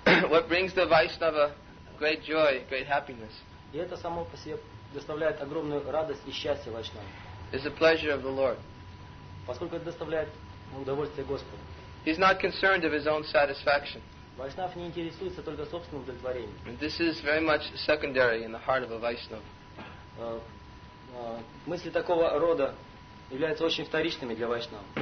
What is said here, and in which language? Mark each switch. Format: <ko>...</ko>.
<en>What brings the Vaishnava great joy, great happiness.</en> <ru>И это само по себе доставляет огромную радость и счастье Вайшнаву.</ru> <en>Is the pleasure of the Lord.</en> <ru>Поскольку это доставляет удовольствие Господу.</ru> <en>He's not concerned of his own satisfaction.</en> <ru>Вайшнав не интересуется только собственным удовлетворением.</ru> <en>This is very much secondary in the heart of a Vaishnava.</en> <ru>Мысли такого рода являются очень вторичными для Вайшнава.</ru>